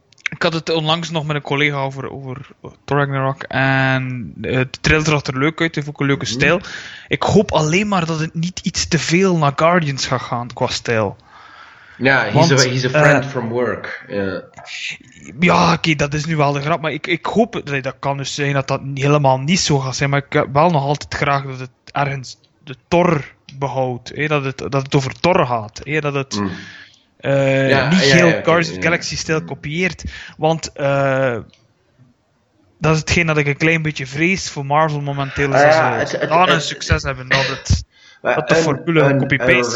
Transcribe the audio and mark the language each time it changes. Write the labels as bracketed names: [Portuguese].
[Dutch] Ik had het onlangs nog met een collega over Thor Ragnarok. En het trailer zag er leuk uit. Heeft ook een leuke stijl. Ik hoop alleen maar dat het niet iets te veel naar Guardians gaat gaan qua stijl. Ja, [English] yeah, he's a friend from work. Yeah. [Dutch] Ja, oké, dat is nu wel de grap. Maar ik hoop, dat kan dus zijn dat dat helemaal niet zo gaat zijn. Maar ik heb wel nog altijd graag dat het ergens de Thor behoudt. Dat het over Thor gaat. Dat het... Mm. Guardians of the Galaxy stijl kopieert, want dat is hetgeen dat ik een klein beetje vrees voor Marvel momenteel is, succes hebben dat de formule copy-paste.